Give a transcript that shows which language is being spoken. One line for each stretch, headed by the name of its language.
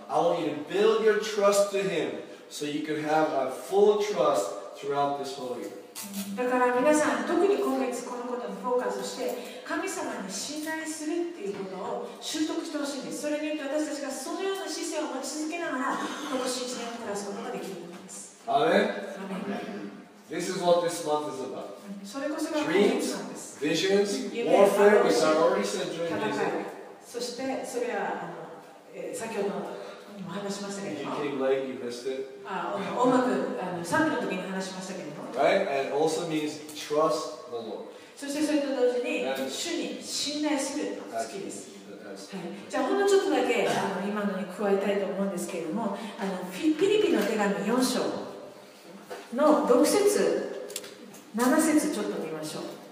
English: I want you to build your trust to him so you can have a full trust throughout this whole year.
Japanese: だから皆さん、特に今月このことにフォーカスして、神様に信頼するっていうことを習得してほしいんです。それによって私たちがそのような姿勢を持ち続けながら、今年1年を暮らすことができるんです。
English: アメン。This is what this month is about.
Japanese: それこそが
English: Dreams, visions, warfare, which are already said during the season.
Japanese: そしてそれは先ほどもお話しましたけども。
English: You came late, you missed it.
Japanese: 音楽、賛美の時に話しましたけども。
English: Right? And also means trust the Lord.
Japanese: そしてそれと同時に主に信頼する好きです、はい、じゃあほんのちょっとだけ今のに加えたいと思うんですけれども、フィリピの手紙4章の6節7節ちょっと見ましょう。